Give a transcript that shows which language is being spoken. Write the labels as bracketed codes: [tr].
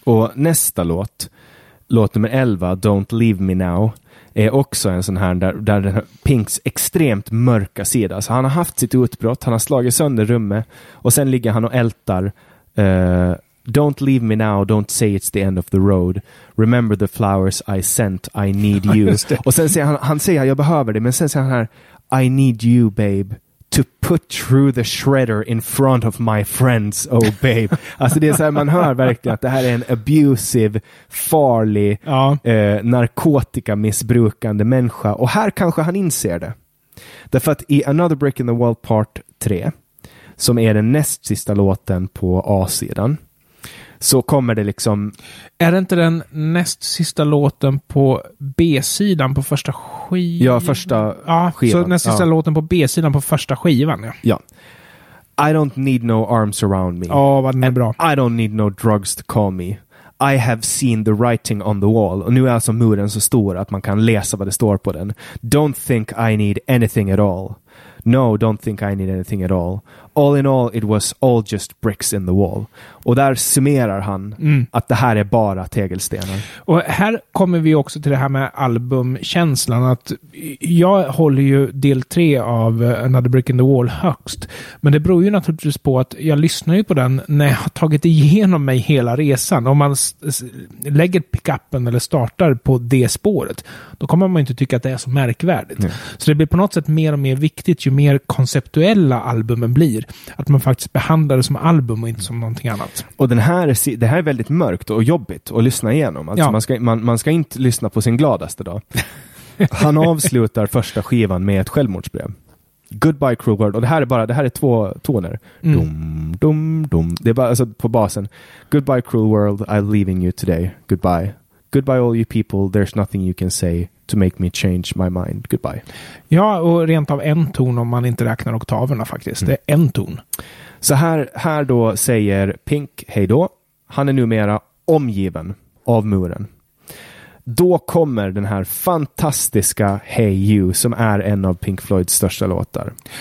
[sv] Och nästa låt nummer 11, Don't Leave Me Now, är också en sån här där Pinks extremt mörka sida. Så han har haft sitt utbrott, han har slagit sönder rummet och sen ligger han och ältar [en] Don't leave me now, don't say it's the end of the road. Remember the flowers I sent, I need you. [sv] Och sen säger han säger jag behöver det, men sen säger han här [en] I need you babe to put through the shredder in front of my friends, oh babe. [sv] Alltså det är så här, man hör verkligen att det här är en abusive, farlig narkotikamissbrukande människa, och här kanske han inser det. Därför att i Another Brick in the Wall part 3, som är den näst sista låten på A-sidan, så kommer det liksom... Är det inte den näst sista låten på B-sidan på första skivan? Ja, första skivan. Så näst sista låten på B-sidan på första skivan, ja. Ja. [en] I don't need no arms around me. [sv] Ja, vad den är bra. [en] I don't need no drugs to call me. I have seen the writing on the wall. [sv] Och nu är alltså muren så stor att man kan läsa vad det står på den. [en] Don't think I need anything at all. [sv] No, don't think I need anything at all. [en] all in all, it was all just bricks in the wall. [sv] Och där summerar han att det här är bara tegelstenar. Och här kommer vi också till det här med albumkänslan. Att jag håller ju del 3 av Another Brick in the Wall högst. Men det beror ju naturligtvis på att jag lyssnar ju på den när jag har tagit igenom mig hela resan. Om man lägger pickuppen eller startar på det spåret, då kommer man inte tycka att det är så märkvärdigt. Mm. Så det blir på något sätt mer och mer viktigt ju mer konceptuella albumen blir. Att man faktiskt behandlar det som album och inte som någonting annat. Och det här är väldigt mörkt och jobbigt att lyssna igenom. Alltså ja. man ska inte lyssna på sin gladaste dag. Han avslutar första skivan med ett självmordsbrev. Goodbye Cruel World. Och det här är två toner. Mm. Dum, dum, dum. Det är bara, alltså, på basen. [en] Goodbye Cruel World, I'm leaving you today. Goodbye. Goodbye all you people, there's nothing you can say to make me change my mind. Goodbye. [sv] Ja, och rent av en ton om man inte räknar oktaverna faktiskt. Mm. Det är en ton. Så här då säger Pink hej då. Han är numera omgiven av muren. Då kommer den här fantastiska Hey You som är en av Pink Floyds största låtar.